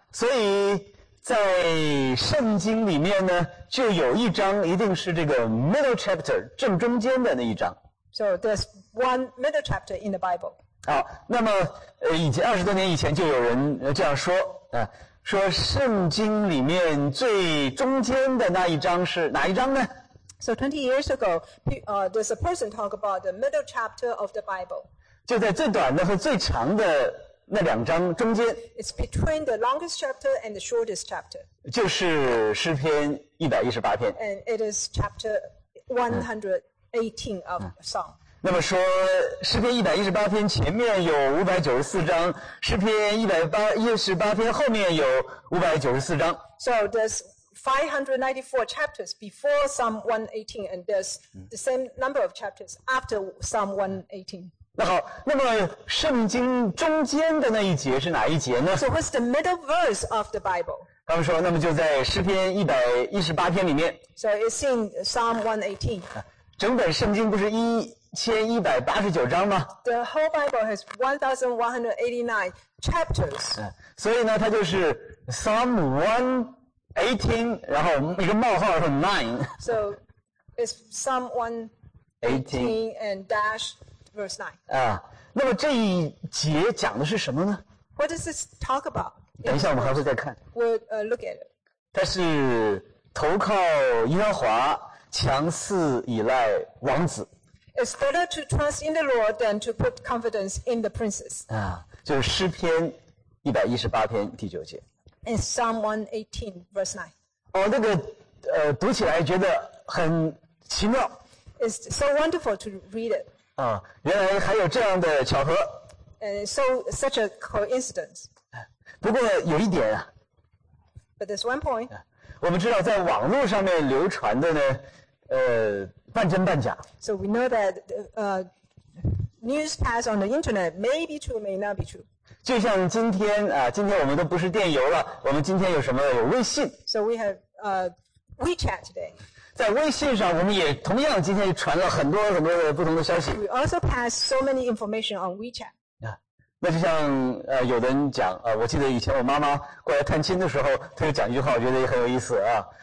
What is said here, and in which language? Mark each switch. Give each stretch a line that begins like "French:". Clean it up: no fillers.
Chinese: 所以在圣经里面呢，就有一章一定是这个 middle chapter 正中间的那一章。
English: So there's one middle chapter in the Bible.
Chinese: 好，那么以前二十多年以前就有人这样说说圣经里面最中间的那一章是哪一章呢
English: ？So 20 years ago, there's a person talk about the middle chapter of the Bible.
Chinese: 就在最短的和最长的那两章中间
English: ，It's between the longest chapter and the shortest chapter，
Chinese: 就是诗篇118篇
English: ，And it is chapter 118 of Psalm。
Chinese: 那么说，诗篇118篇前面有594章，诗篇118篇后面有594章。
English: So there's 594 chapters before Psalm 118， and there's the same number of chapters after Psalm 118。
Chinese: 那好，那么圣经中间的那一节是哪一节呢
English: ？So what's the middle verse of the Bible？
Chinese: 他们说，那么就在诗篇118篇里面。
English: So it's in Psalm 118。
Chinese: 整本圣经不是1189章吗
English: ？The whole Bible has 1189 chapters。
Chinese: 所以呢，它就是 Psalm 118， 然后一个冒号是 9。
English: So it's Psalm 118 and dash。 Verse
Chinese: 9. 那么这一节讲的是什么呢
English: ？What does this talk about？
Chinese: 等一下，我们还会再看。
English: We'll look at it.
Chinese: 它是投靠耶和华，强似依赖王子。
English: It's better to trust in the Lord than to put confidence in the princes.
Chinese: 就是诗篇118篇第九节。
English: In Psalm 118, verse 9.
Chinese: 哦，那个读起来觉得很奇妙。
English: It's so wonderful to read it.
Chinese: 原来还有这样的巧合。
English: So such a coincidence.
Chinese: 不过有一点啊。
English: But there's one point.
Chinese: 我们知道在网络上面流传的呢，半真半假。
English: So we know that news pass on the internet may be true, may not be true.
Chinese: 就像今天啊，今天我们都不是电邮了，我们今天有什么？有微信。
English: So we have WeChat today.
Chinese: 在微信上，我们也同样今天传了很多很多的不同的消息。
English: We also pass so many information on WeChat.
Chinese: 那就像有的人讲我记得以前我妈妈过来探亲的时候，她就讲一句话，我觉得也很有意思啊。